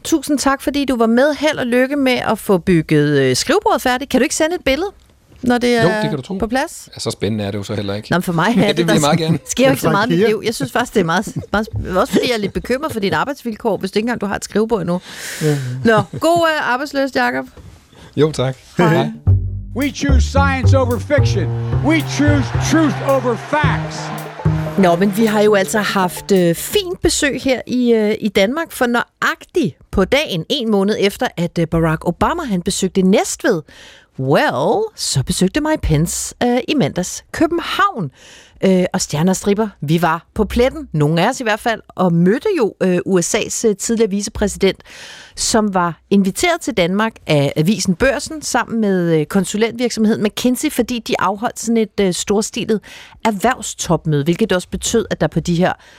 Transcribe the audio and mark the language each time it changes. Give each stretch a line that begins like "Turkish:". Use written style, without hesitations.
Danish: Tusind tak, fordi du var med. Held og lykke med at få bygget skrivebordet færdigt. Kan du ikke sende et billede? når det er på plads? Jo, det kan du tro. Så spændende er det jo så heller ikke. Nå, for mig er det, det vil jeg meget gerne. Sker jo ikke så meget i mit liv. Jeg synes faktisk, det er meget også fordi jeg er lidt bekymret for dit arbejdsvilkår, hvis du ikke engang du har et skrivebord endnu. Nå, god arbejdsløs, Jacob. Jo, tak. Hej.
English: We choose science over fiction. We choose truth over facts.
Danish: Nå, men vi har jo altså haft fint besøg her i Danmark, for nøjagtigt på dagen, en måned efter, at Barack Obama han besøgte Næstved, well, så besøgte Mike Pence i mandags København. Og Stjerner og Stripper, vi var på pletten, nogle af os i hvert fald, og mødte jo USA's tidligere vicepræsident, som var inviteret til Danmark af Avisen Børsen sammen med konsulentvirksomheden McKinsey, fordi de afholdt sådan et storstilet erhvervstopmøde, hvilket også betød, at der på de her